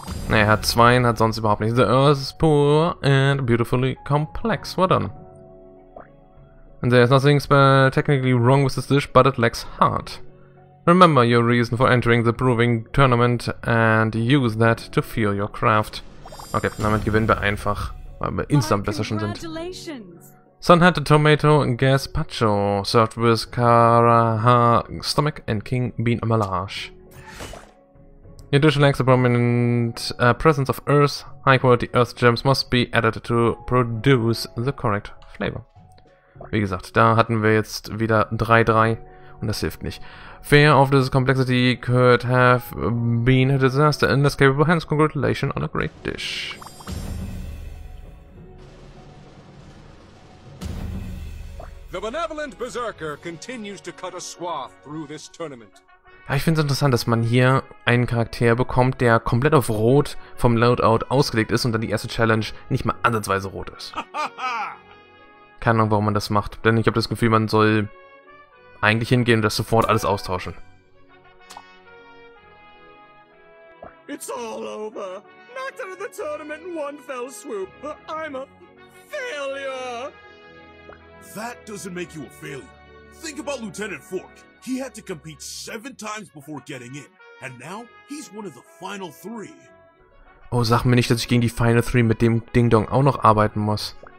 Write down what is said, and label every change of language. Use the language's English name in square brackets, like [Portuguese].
[German] Nee, hat zwei und hat sonst überhaupt nichts. [English] The earth is poor and beautifully complex. Well done. And there's nothing technically wrong with this dish, but it lacks heart. Remember your reason for entering the Proving Tournament and use that to fuel your craft. [German] Okay, damit gewinnen wir einfach, weil wir insgesamt besser schon sind. [English] Sun Hat Tomato Gazpacho, served with Karaha Stomach and King Bean Melange. Your dish lacks a prominent presence of earth. High quality earth gems must be added to produce the correct flavor. [German] Wie gesagt, da hatten wir jetzt wieder 3-3 und das hilft nicht. [English] Fear of this complexity could have been a disaster in this capable hands. Congratulations on a great dish. The benevolent berserker continues to cut a swath through this tournament. [German] Ja, ich finde es interessant, dass man hier einen Charakter bekommt, der komplett auf Rot vom Loadout ausgelegt ist und dann die erste Challenge nicht mal ansatzweise rot ist. Keine Ahnung, warum man das macht, denn ich habe das Gefühl, man soll eigentlich hingehen und das sofort alles austauschen. [English] It's all over. Knocked out of the tournament in one fell swoop, but I'm a failure. That doesn't make you a failure. Think about Lieutenant Fork. He had to compete 7 times before getting in, and now he's one of the final 3. [German] Oh, sag mir nicht, dass ich gegen die Final 3 mit dem Ding Dong auch noch arbeiten muss.